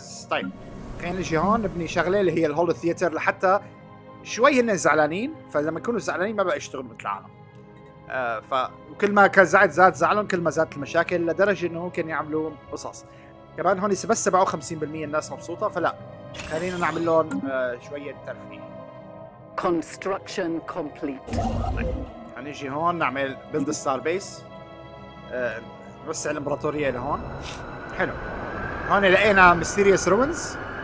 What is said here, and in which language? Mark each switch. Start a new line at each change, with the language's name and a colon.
Arabic: طيب خلينا نجي هون نبني شغله اللي هي الهولو ثياتر لحتى شوي هن زعلانين فلما يكونوا زعلانين ما بقى يشتغلوا مثل العالم وكل ما كزعت زاد زعلهم كل ما زادت المشاكل لدرجه انه ممكن يعملوا قصص كمان هون بس 57% الناس مبسوطة فلا خلينا نعمل لهم شوية ترفيه.
English: Construction complete.
Arabic: هنيجي هون نعمل
English: build the star base.
Arabic: نوسع الامبراطورية لهون. حلو. هون لقينا
English: mysterious ruins.